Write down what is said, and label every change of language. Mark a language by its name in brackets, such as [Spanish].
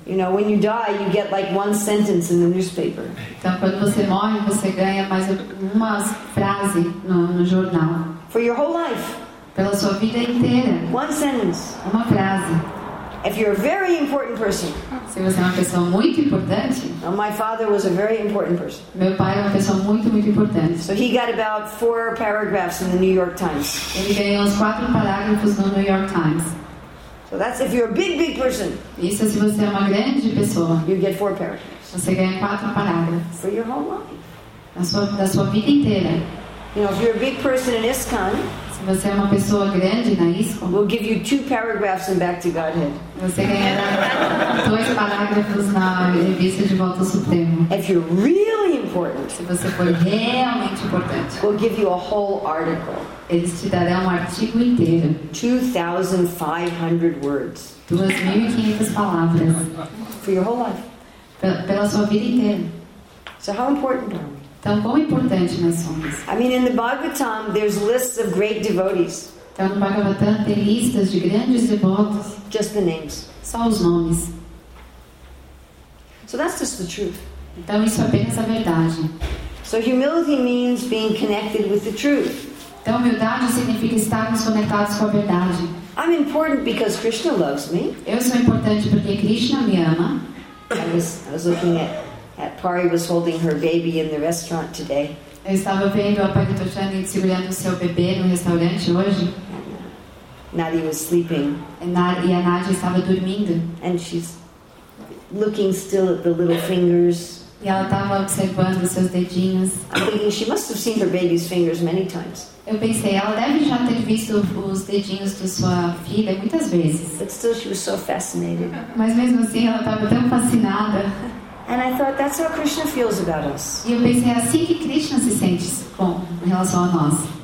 [English] You know, when you die, you get like one sentence in the newspaper. [Portuguese] Então quando você morre, você ganha mais uma frase no jornal. [English] For your whole life. [Portuguese] Pela sua vida inteira. [English] One sentence. [Portuguese] Uma frase. [English] If you're a very important person. [Portuguese] Se você é uma pessoa muito importante. [English] Well, my father was a very important person. [Portuguese] Meu pai era uma pessoa muito, muito importante. [English] So he got about 4 paragraphs in the New York Times. [Portuguese] Ele ganhou uns 4 parágrafos no New York Times. [English] So that's if you're a big, big person. [Portuguese] Isso se você é uma grande pessoa. [English] You get 4 paragraphs. [Portuguese] Você ganha 4 parágrafos. [English] For your whole life. [Portuguese] Da sua vida inteira. [English] You know, if you're a big person in ISKCON. [Portuguese] Se você é uma pessoa grande na ISKCON, [English] we'll give you 2 paragraphs in Back to Godhead. [Portuguese] Você ganhará 2 parágrafos na revista de Volta ao Supremo. [English] If you're really important, [Portuguese] se você for realmente importante, [English] we'll give you a whole article. [Portuguese] Eles te darão artigo inteiro. [English] 2,500 words. [Portuguese] 2,500 palavras. [English] For your whole life. [Portuguese] Pela sua vida inteira. [English] So how important are we? [Portuguese] Então, quão importante nós somos? [English] I mean, in the Bhagavatam, there's lists of great devotees. [Portuguese] Então, no Bhagavatam, tem listas de grandes devotos. [English] Just the names. [Portuguese] Só os nomes. [English] So that's just the truth. [Portuguese] Então, isso é apenas a verdade. [English] So humility means being connected with the truth. [Portuguese] Então, humildade significa estarmos conectados com a verdade. [English] I'm important because Krishna loves me. [Portuguese] Eu sou importante porque Krishna me ama. [English] I was looking at Pari was holding her baby in the restaurant today. [Portuguese] Eu estava vendo a Paritoshani segurando seu bebê no restaurante hoje. [English] Nadia was sleeping. [Portuguese] E a Nadia estava dormindo. [English] And she's looking still at the little fingers. [Portuguese] E ela estava observando seus dedinhos. [English] I'm thinking she must have seen her baby's fingers many times. [Portuguese] Eu pensei, ela deve já ter visto os dedinhos de sua filha muitas vezes. [English] But still she was so fascinated. [Portuguese] Mas mesmo assim, ela estava tão fascinada. [English] And I thought, that's how Krishna feels about us. [Portuguese] E eu pensei, assim que Krishna se sente bom em relação a nós.